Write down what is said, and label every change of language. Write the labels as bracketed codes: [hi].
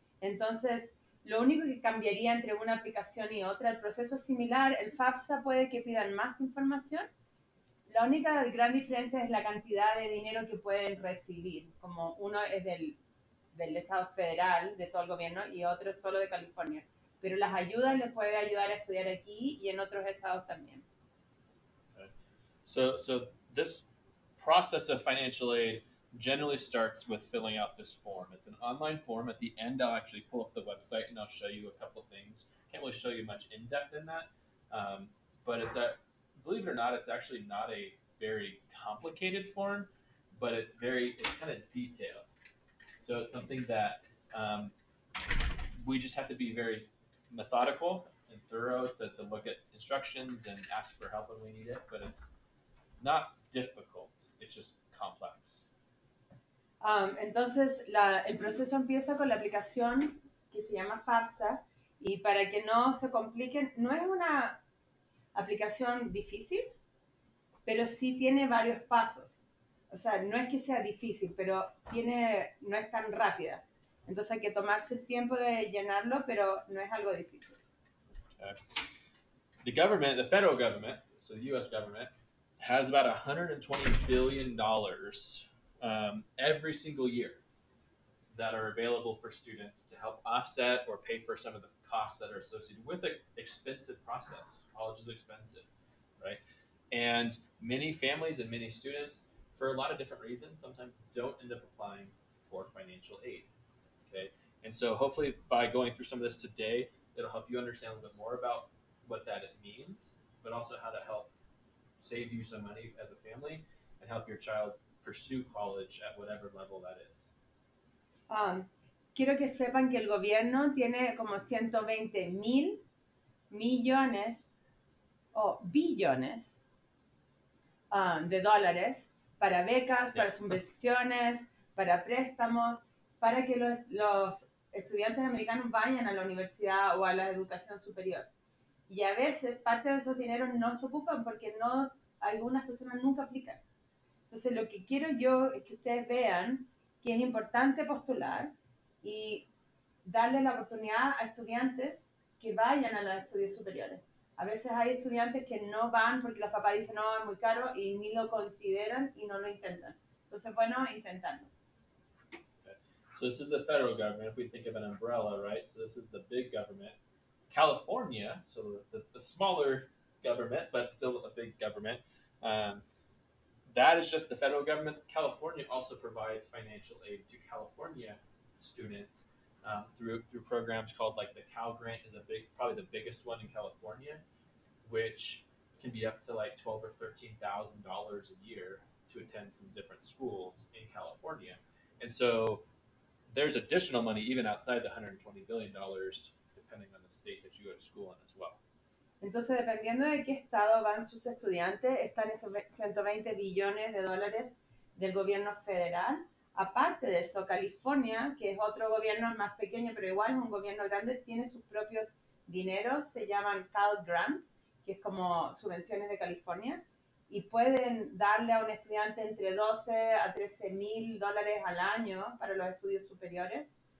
[es] Entonces, lo único que cambiaría entre una aplicación y otra, el proceso es similar, el FAFSA puede que pidan más información. La única gran diferencia es la cantidad de dinero que pueden recibir. Como uno es del Estado Federal, de todo el gobierno, y otro es solo de California. Pero las ayudas les puede ayudar a estudiar aquí y en otros estados también. [en] So this process of financial aid generally starts with filling out this form. It's an online form. At the end, I'll actually pull up the website and I'll show you a couple of things. Can't really show you much in depth in that, but it's a, believe it or not, it's actually not a very complicated form, but it's kind of detailed. So it's something that we just have to be very methodical and thorough to look at instructions and ask for help when we need it, but it's not difficult, it's just complex. [es] Entonces, el proceso empieza con la aplicación que se llama FAFSA, y para que no se compliquen, no es una aplicación difícil, pero sí tiene varios pasos. O sea, no es que sea difícil, pero no es tan rápida. Entonces, hay que tomarse el tiempo de llenarlo, pero no es algo difícil. [en] Okay. The government, the federal government, so the U.S. government, has about $120 billion every single year that are available for students to help offset or pay for some of the costs that are associated with an expensive process. College is expensive, right? And many families and many students, for a lot of different reasons, sometimes don't end up applying for financial aid, okay? And so hopefully by going through some of this today, it'll help you understand a little bit more about what that means, but also how to help save you some money as a family and help your child pursue college at whatever level that is. [es] Quiero que sepan que el gobierno tiene como 120 mil millones o billones de dólares para becas, para subvenciones, para préstamos, para que los estudiantes americanos vayan a la universidad o a la educación superior. Y a veces parte de esos dineros no se ocupan porque no, algunas personas nunca aplican. Entonces, lo que quiero yo es que ustedes vean que es importante postular y darle la oportunidad a estudiantes que vayan a los estudios superiores. A veces hay estudiantes que no van porque los papás dicen, no, es muy caro, y ni lo consideran y no lo intentan. Entonces, bueno, intentarlo. [en] Okay. So, this is the federal government, if we think of an umbrella, right? So, this is the big government. California, so the smaller government, but still a big government. That is just the federal government. California also provides financial aid to California students through programs called like the Cal Grant is probably the biggest one in California, which can be up to like $12,000 or $13,000 a year to attend some different schools in California. And so there's additional money even outside the $120 billion, depending on the state that you go to school in as well. [es] Entonces, dependiendo de qué estado van sus estudiantes, están esos 120 billones de dólares del gobierno federal. Aparte de eso, California, que es otro gobierno más pequeño, pero igual es un gobierno grande, tiene sus propios dineros, se llaman Cal Grant, que es como subvenciones de California, y pueden darle a un estudiante entre 12 a 13 mil dólares al año para los estudios superiores.